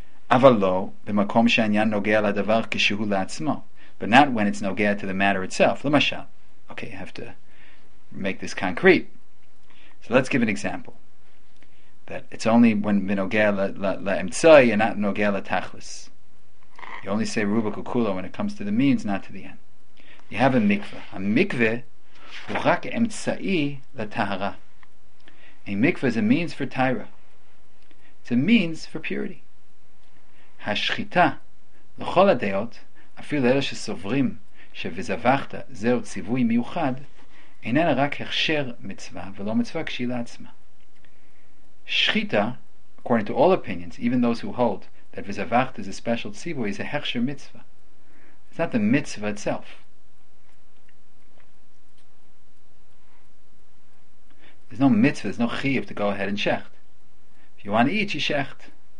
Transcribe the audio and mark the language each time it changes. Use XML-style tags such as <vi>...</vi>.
<he>אבל לא במקום שעניין נוגע לדבר כשהוא לעצמו,</he> <en>but not when it's nogea to the matter itself. למשל, okay, I have to make this concrete. So let's give an example. That it's only when nogea l'emtzai and not nogea l'tachlis. You only say ruba kukula when it comes to the means, not to the end. You have a mikveh.</en> <he>A mikveh הוא רק אמצעי לטהרה.</he> <en>A mikveh is a means for tahara. It's a means for purity.</en> <he>השחיטה, לכל הדעות, אפילו אלה שסוברים שבזבחת זהו ציווי מיוחד, איננה רק הכשר מצווה ולא מצווה כשילה עצמה.</he> <en>שחיטה, according to all opinions, even those who hold that וזבחת is a special ציווי, is a הכשר מצווה. It's not the mitzvah itself. There's no mitzvah, there's no chiv to go ahead and shecht. If you want to eat, you shecht.</en>